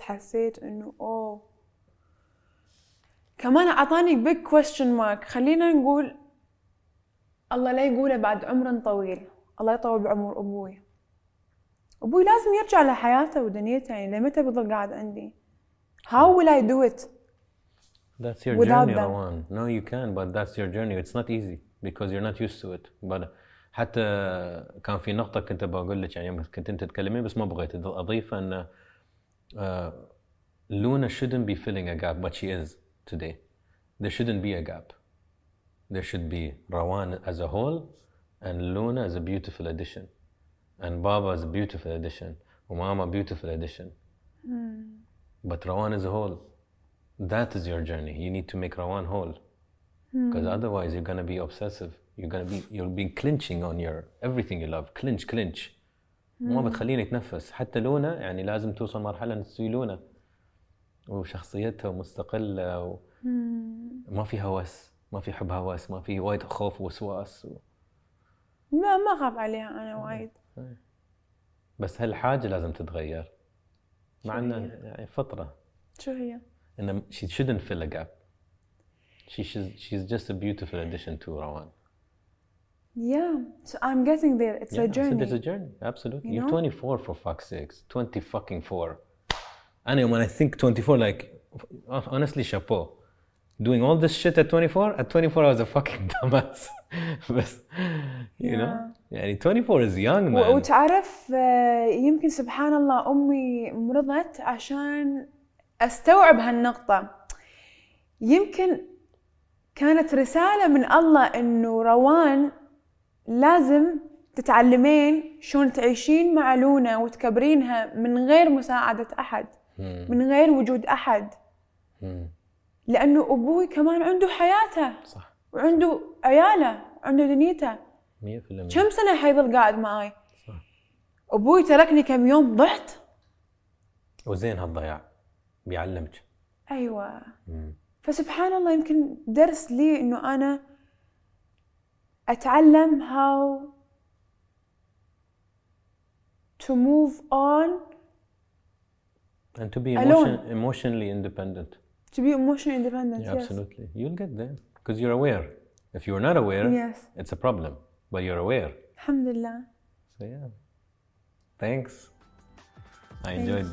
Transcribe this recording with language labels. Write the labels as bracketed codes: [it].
[ar] حسيت انه كمان اعطاني [en] big question mark. [ar] خلينا نقول الله لا يقوله بعد عمر طويل، الله يطول بعمر ابوي. ابوي لازم يرجع لحياته ودنيته، يعني لمتى بضل قاعد عندي؟ [en] How will I do it? That's your journey, Rowan. No, you can, but that's your journey. It's not easy because you're not used to it. [ar] But حتى كان في نقطة كنت بقول لك، يعني كنت أنت تكلمين بس ما بغيت أضيف، أن لونا [en] shouldn't be filling a gap, but she is today. There shouldn't be a gap. There should be Rowan as a whole, and Luna is a beautiful addition, and Baba is a beautiful addition, [ar] وماما [en] beautiful addition. But Rowan is a whole. That is your journey. You need to make Rowan whole. Because otherwise you're going to be obsessive. you're being clinching on your everything you love. Clinch. [ar] ما بتخليني اتنفس. حتى لونا يعني لازم توصل مرحلة ان تسوي لونا وشخصيتها مستقلة وما في هوس، ما في حب هوس، ما في وايد خوف ووسواس ما خاف عليها أنا وايد. بس هالحاجة لازم تتغير مع شو إن هي؟ يعني فترة. شو هي؟ إن [en] she shouldn't fill a gap. She's just a beautiful addition to Rawan. Yeah, so I'm getting there. It's yeah, a journey. I said it's a journey. Absolutely. You're 24 for fuck's sake. 20 fucking four. And when I think 24, like honestly, chapeau. Doing all this shit at 24. At 24, I was a fucking dumbass. But you know, يعني 24 is young, man. [ar] وتعرف يمكن سبحان الله أمي مرضت عشان أستوعب هالنقطة. يمكن كانت رسالة من الله إنه روان لازم تتعلمين شلون تعيشين مع لونا وتكبرينها من غير مساعدة أحد، من غير وجود أحد. لأنه أبوي كمان عنده حياته، صح، وعنده عياله، عنده دنيته. [en] 100%. [ar] كم سنة حيظل قاعد معاي؟ صح. أبوي تركني كم يوم ضحت. وزين هالضياع بيعلمك. أيوة. فسبحان الله يمكن درس لي إنه أنا أتعلم [en] how to move on and to be emotionally independent. To be emotionally independent. Yeah, absolutely. Yes. You'll get there because you're aware. If you're not aware, yes, it's a problem. But you're aware. [ar] Alhamdulillah. [en] So yeah. Thanks. I enjoyed